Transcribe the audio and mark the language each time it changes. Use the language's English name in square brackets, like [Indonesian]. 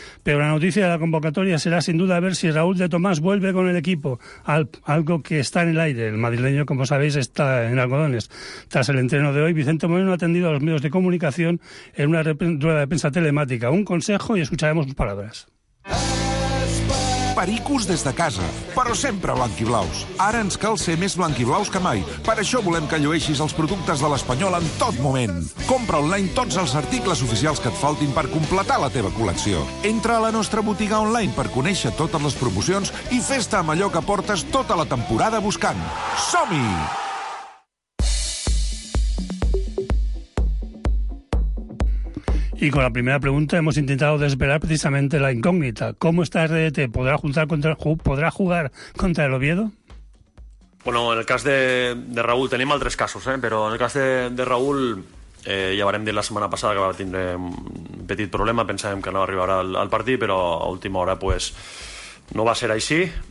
[Spanish] Pero la noticia de la convocatoria será sin duda ver si Raúl de Tomás vuelve con el equipo, algo que está en el aire. El madrileño, como sabéis, está en algodones. Tras el entreno de hoy, Vicente Moreno ha atendido a los medios de comunicación en una rueda de prensa telemática. Un consejo y escucharemos sus palabras. [Catalan] Pericus des de casa, però sempre blanquiblaus. Ara ens cal ser més blanquiblaus que mai. Per això volem que llueixis els productes de l'Espanyol en tot moment. Compra online tots els articles oficials que et faltin per completar la teva col·lecció. Entra a la nostra botiga online per conèixer totes les promocions i fes-te amb allò que portes tota la temporada buscant. Som-hi! [Spanish] Y con la primera pregunta hemos intentado desvelar precisamente la incógnita. ¿Cómo está RDT? ¿Podrá jugar contra el Oviedo? [Catalan] Bueno, en el cas de Raúl tenim altres casos, però en el cas de Raúl ja vam dir la setmana passada que va tindre un petit problema. Pensàvem que no arribarà al partit, però a última hora pues, no va ser així.